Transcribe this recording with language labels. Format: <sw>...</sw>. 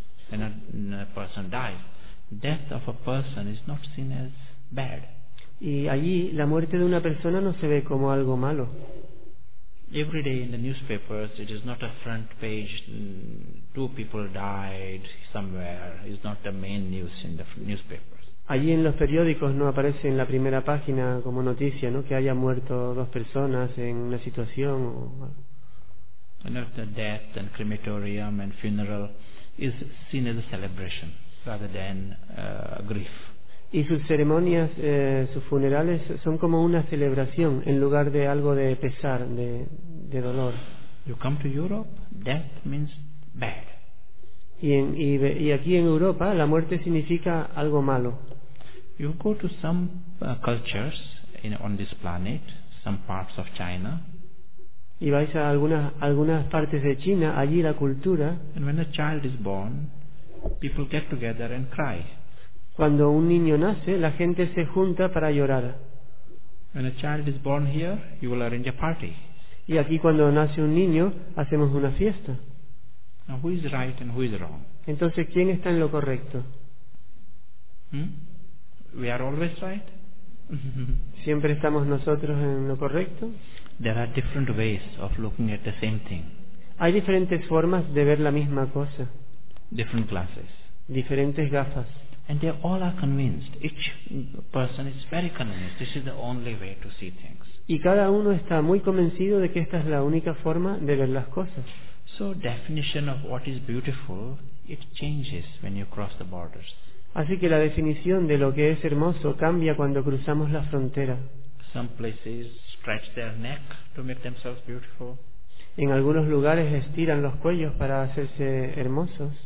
<en>When a person dies, death of a person is not seen as bad.</en> <es>Y allí la muerte de una persona no se ve como algo malo.</es> <en>Every day in the newspapers, it is not a front page. Two people died somewhere. It's not the main news in the newspapers.</en> <es>Allí en los periódicos no aparece en la primera página como noticia, ¿no? Que haya muerto dos personas en una situación.</es> <en>And the death and crematorium and funeral is seen as a celebration rather than grief.</en> <es>Y sus ceremonias, sus funerales son como una celebración en lugar de algo de pesar, de dolor.</es> <en>You come to Europe, death means bad.</en> <es>Y aquí en Europa la muerte significa algo malo.</es> <en>You go to some cultures on this planet, some parts of China.</en> <es>y vais a algunas partes de China, allí la cultura,</es> <en>and when a child is born, people get together and cry.</en> <es>Cuando un niño nace, la gente se junta para llorar.</es> <en>When a child is born here, you will arrange a party.</en> <es>Y aquí cuando nace un niño, hacemos una fiesta.</es> <en>Now who is right and who is wrong?</en> <es>Entonces, ¿quién está en lo correcto?</es> <en>We are always right.</en> <es>¿Siempre estamos nosotros en lo correcto?</es> <en>There are different ways of looking at the same thing.</en> <es>Hay diferentes formas de ver la misma cosa.</es> <en>Different glasses.</en> <es>Diferentes gafas.</es> <en>And they all are convinced. Each person is very convinced. This is the only way to see things.</en> <es>Y cada uno está muy convencido de que esta es la única forma de ver las cosas.</es> <en>So definition of what is beautiful, it changes when you cross the borders.</en> <es>Así que la definición de lo que es hermoso cambia cuando cruzamos la frontera.</es> <en>Some places stretch their neck to make themselves beautiful.</en> <es>En algunos lugares estiran los cuellos para hacerse hermosos.</es>